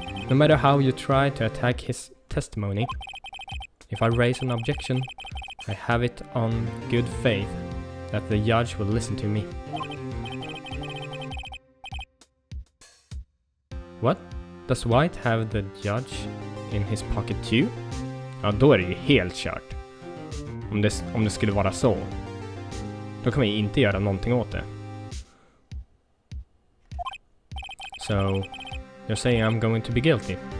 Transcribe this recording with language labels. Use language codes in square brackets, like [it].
[en] No matter how you try to attack his testimony, if I raise an objection, I have it on good faith that the judge will listen to me. What? Does White have the judge in his pocket too? [sv] Ja, då är det ju helt kört. Om det skulle vara så. Då kan vi inte göra någonting åt det. [en] So, you're saying I'm going to be guilty.